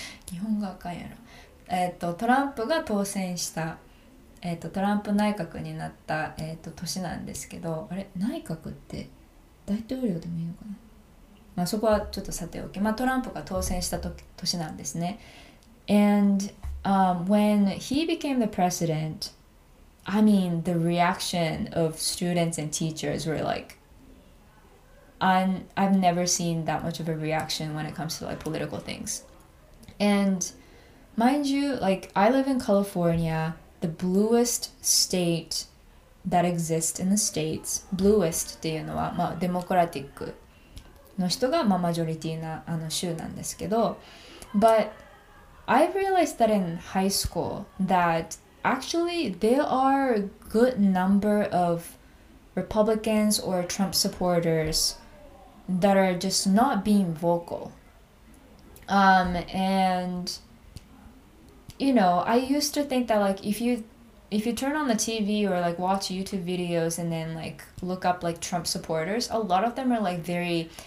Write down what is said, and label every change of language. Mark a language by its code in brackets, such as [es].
[ja] 日本語あかんやろ。トランプが当選した、トランプ内閣になった、年なんですけど、あれ、内閣って大統領でもいいのかな、まあ、そこはちょっとさておき、まあ、トランプが当選した年なんですね。 [en] And,when he became the president, I mean, the reaction of students and teachers were like, I've never seen that much of a reaction when it comes to like political things. And mind you, like, I live in California, the bluest state that exists in the States. [ja] Bluest っていうのは、まあ、デモクラティックの人が、まあ、マジョリティな、あの、州なんですけど。 [en] ButI realized that in high school that actually there are a good number of Republicans or Trump supporters that are just not being vocal. And, you know, I used to think that like if you turn on the TV or like watch YouTube videos and then like look up like Trump supporters, a lot of them are like very...